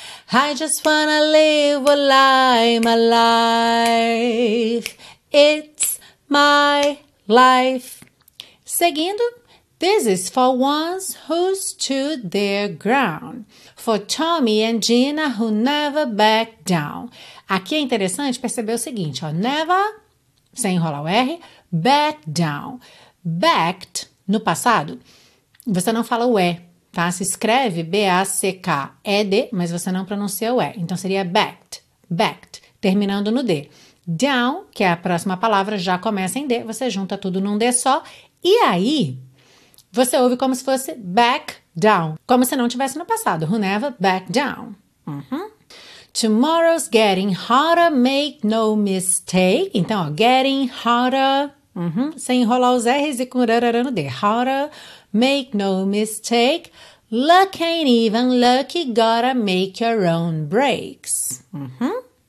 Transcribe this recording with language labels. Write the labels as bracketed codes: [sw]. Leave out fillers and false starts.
[en] I just wanna live while I'm alive. It's my life. Seguindo. This is for ones who stood their ground. For Tommy and Gina who never backed down. [pt] Aqui é interessante perceber o seguinte, ó. Never, sem enrolar o R, backed down. Backed, no passado, você não fala o E, tá? Se escreve B-A-C-K-E-D, mas você não pronuncia o E. Então, seria backed, backed, terminando no D. Down, que é a próxima palavra, já começa em D. Você junta tudo num D só. E aí, você ouve como se fosse back down. Como se não tivesse no passado. [en] Who never back down. Uhum. Tomorrow's getting hotter, make no mistake. [pt] Então, ó, getting hotter. Uhum. Sem enrolar os R's e com rarara no D. [en] Hotter, make no mistake. Luck ain't even lucky, gotta make your own breaks. Uhum.